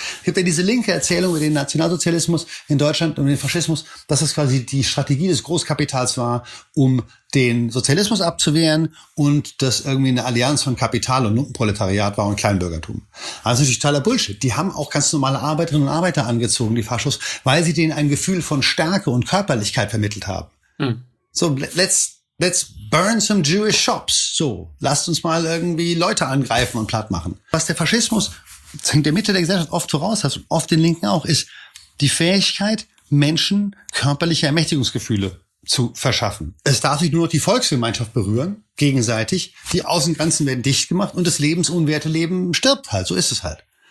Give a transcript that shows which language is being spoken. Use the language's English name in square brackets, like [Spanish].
[German] Es gibt ja diese linke Erzählung über den Nationalsozialismus in Deutschland und den Faschismus, dass das quasi die Strategie des Großkapitals war, um den Sozialismus abzuwehren und das irgendwie eine Allianz von Kapital und Proletariat war und Kleinbürgertum. Also totaler Bullshit. Die haben auch ganz normale Arbeiterinnen und Arbeiter angezogen, die Faschos, weil sie denen ein Gefühl von Stärke und Körperlichkeit vermittelt haben. [English] Hm. So, let's burn some Jewish shops. [German] So, lasst uns mal irgendwie Leute angreifen und platt machen. Was der Faschismus, das hängt der Mitte der Gesellschaft oft voraus, also oft den Linken auch, ist die Fähigkeit, Menschen körperliche Ermächtigungsgefühle zu verschaffen. Es darf sich nur noch die Volksgemeinschaft berühren, gegenseitig. Die Außengrenzen werden dicht gemacht und das lebensunwerte Leben stirbt halt. So ist es halt.